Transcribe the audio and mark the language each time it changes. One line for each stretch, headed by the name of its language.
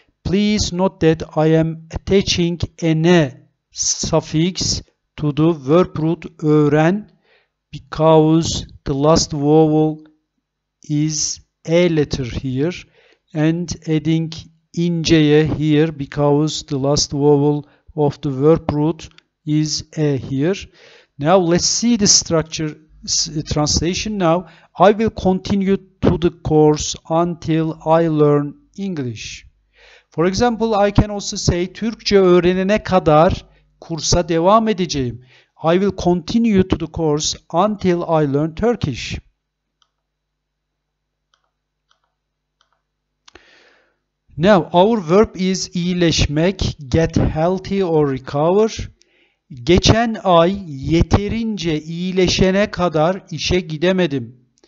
English: Please note that I am attaching ene suffix to the verb root öğren because the last vowel is a letter here and adding inceye here because the last vowel of the verb root is a here. Now let's see the structure translation now. I will continue to the course until I learn English. For example, I can also say
Turkish: Türkçe öğrenene kadar kursa devam edeceğim.
English: I will continue to the course until I learn Turkish. Now, our verb is iyileşmek, get healthy or recover.
Turkish: Geçen ay yeterince iyileşene kadar işe gidemedim.